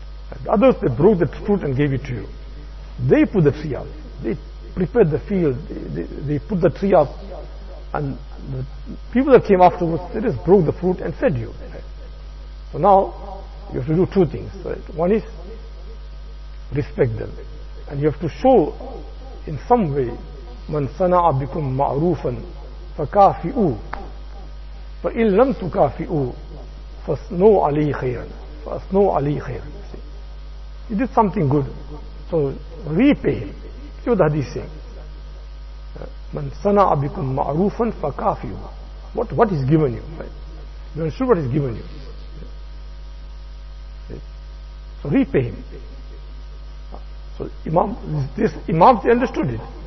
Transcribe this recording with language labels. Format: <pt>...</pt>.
<en>And others, they broke the fruit and gave it to you. They put the tree up. They prepared the field. They put the tree up. And the people that came afterwards, they just broke the fruit and fed you. Right? So now, you have to do two things. Right? One is, respect them. And you have to show, in some way,</en> <ar>مَنْ صَنَعَ بِكُمْ مَعْرُوفًا فَكَافِئُوا فَإِنْ لَمْ تُكَافِئُوا فَاسْنُوْ عَلَيْهِ خَيْرًا فَاسْنُوْ عَلَيْهِ خَيْرًا.</ar> <en>He did something good. So repay him. See what the hadith is saying.</en> <ar>مَنْ صَنَعَ بِكُمْ مَعْرُوفًا فَكَافِئُوا.</ar> <en>What he's given you, right? You understood what he's given you. So repay him. So Imam, this Imam, they understood it.</en>